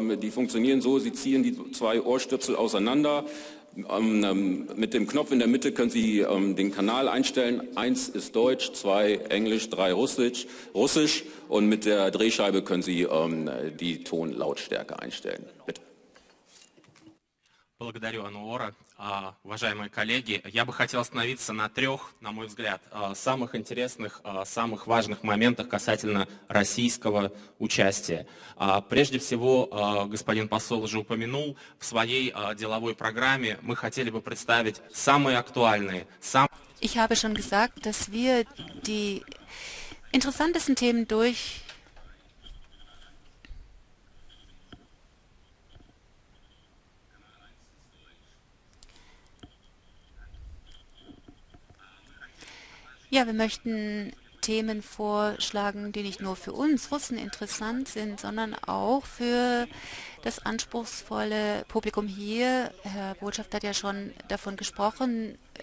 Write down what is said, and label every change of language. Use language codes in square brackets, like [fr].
[de] Die funktionieren so, Sie ziehen die zwei Ohrstöpsel auseinander. Mit dem Knopf in der Mitte können Sie den Kanal einstellen. Eins ist Deutsch, zwei Englisch, drei Russisch. Und mit der Drehscheibe können Sie die Tonlautstärke einstellen. Bitte. [ru] Благодарю, Ануора. Уважаемые коллеги, я бы хотел остановиться на трех, на мой взгляд, самых интересных, самых важных моментах касательно российского участия. Прежде всего, господин посол уже упомянул, в своей деловой программе мы хотели бы представить самые актуальные, [de] Ich habe schon gesagt, dass wir die interessantesten Themen wir möchten Themen vorschlagen, die nicht nur für uns Russen interessant sind, sondern auch für das anspruchsvolle Publikum hier. Herr Botschafter hat ja schon davon gesprochen,